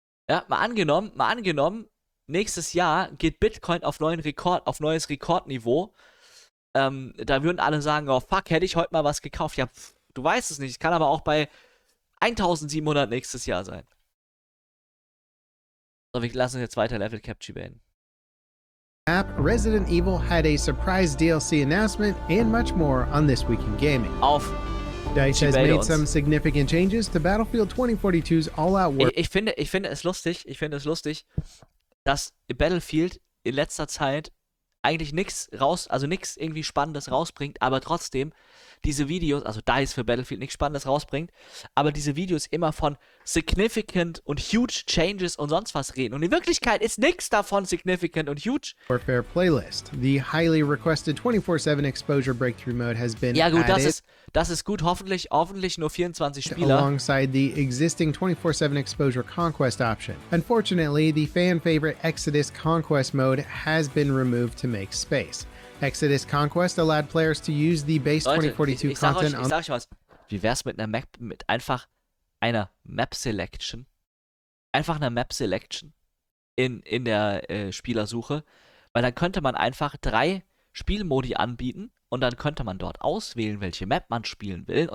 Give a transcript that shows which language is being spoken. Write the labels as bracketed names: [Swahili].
[German] Ja, mal angenommen, nächstes Jahr geht Bitcoin auf neuen Rekord, auf neues Rekordniveau. Da würden alle sagen, oh fuck, hätte ich heute mal was gekauft. Ja, du weißt es nicht. Es kann aber auch bei 1700 nächstes Jahr sein. So, wir lassen jetzt weiter Level Capture beenden. [English] App Resident Evil had a surprise DLC announcement and much more on This Week in Gaming. [German] Auf [English] DICE has made some significant changes to Battlefield 2042's All-Out War. [German] Ich finde es lustig, dass Battlefield in letzter Zeit eigentlich nichts irgendwie Spannendes rausbringt, aber trotzdem diese Videos, also DICE für Battlefield nichts Spannendes rausbringt, aber diese Videos immer von significant und huge changes und sonst was reden. Und in Wirklichkeit ist nichts davon significant und huge. [English] Warfare Playlist. The highly requested 24/7 exposure breakthrough mode has been added. [German] Ja gut, das ist gut. Hoffentlich nur 24 Spieler. [English] Alongside the existing 24/7 exposure conquest option. Unfortunately, the fan favorite Exodus conquest mode has been removed to make space. Exodus Conquest allowed players to use the base 2042 [German] Leute, ich [English] content on. [German] Wie wär's mit einer Map, mit einfach einer Map Selection? Einfach einer Map Selection in der Spielersuche. Weil dann könnte man einfach drei Spielmodi anbieten und dann könnte man dort auswählen, welche Map man spielen will.